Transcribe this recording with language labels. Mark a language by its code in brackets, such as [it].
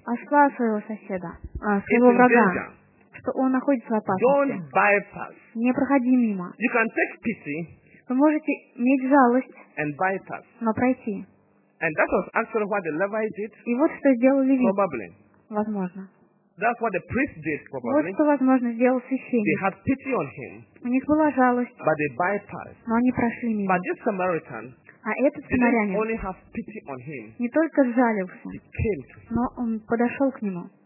[ru] Осла своего соседа, своего врага, что он находится в опасности. [en] Don't bypass. [ru] Не проходи мимо. [en] You can take pity. [ru] Вы можете иметь жалость. [en] And bypass. [ru] Но пройти. [en] And that was actually what the Levite did. [ru] И вот что сделал Левит. [en] Probably. [ru] Возможно. [en] That's what the priest did, probably. [ru] Вот что, возможно, сделал священник. [en] They had pity on him. [ru] У них была жалость. [en] But they bypassed. [ru] Но они прошли мимо. [en] But this Samaritan. [ru] А этот самарянин не только жалился, но он подошел к нему.